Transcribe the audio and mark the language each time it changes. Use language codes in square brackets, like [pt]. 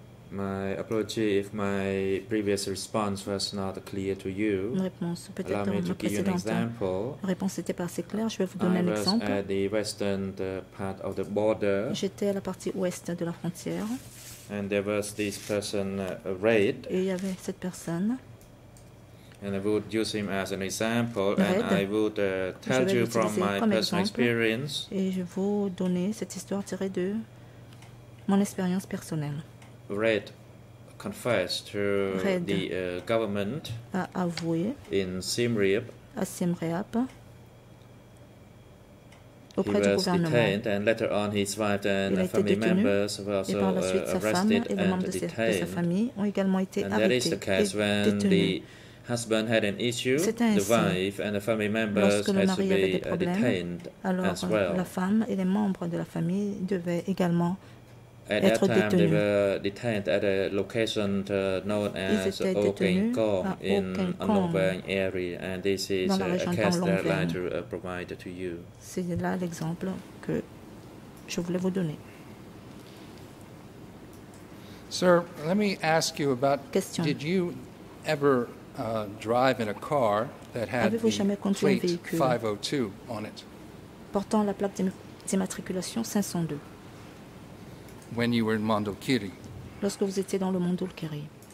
[en] My apology if my previous response was not clear to you. [fr] Réponse, peut-être [en] allow me to give you an example. [fr] Réponse n'était pas assez claire. Je vais vous donner un exemple. [en] I was at the western part of the border. [fr] J'étais à la partie ouest de la frontière. [en] And there was this person raid. [fr] Et il y avait cette personne. [en] And I would use him as an example, raid. And I would tell you from my personal experience. [fr] Et je vous donner cette histoire tirée de mon expérience personnelle. [en] Raid confessed to raid the government [fr] a avoué [en] in Siem Reap. [fr] À Siem Reap. [en] He was detained, and later on his wife and family members were also arrested and detained. And that is the case when the husband had an issue, the wife and the family members had to be detained as well. [fr] La femme et les membres de la famille devaient également [en] at that time they were detained at a location known as Okengkong in Longwang area, and this is a case that I'd like to provide to you. [fr] C'est là l'exemple que je voulais vous donner. [en] Sir, let me ask you about [fr] question. [en] Did you ever drive in a car that had [fr] avez-vous [en] the plate 502 on it? [fr] Portant la plaque d'immatriculation 502. [en] When you were in Mondulkiri. [fr] Lorsque vous étiez dans le Mondulkiri.